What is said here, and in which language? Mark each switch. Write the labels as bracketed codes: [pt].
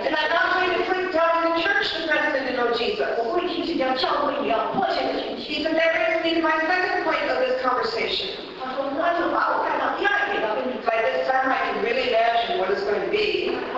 [en] And I'm not going to quit telling the church to press in to know Jesus, [zh] 我不会停止叫教会也要迫切的寻求。 [en] He's in there to lead my second point of this conversation. By this time, I can really imagine what it's going to be.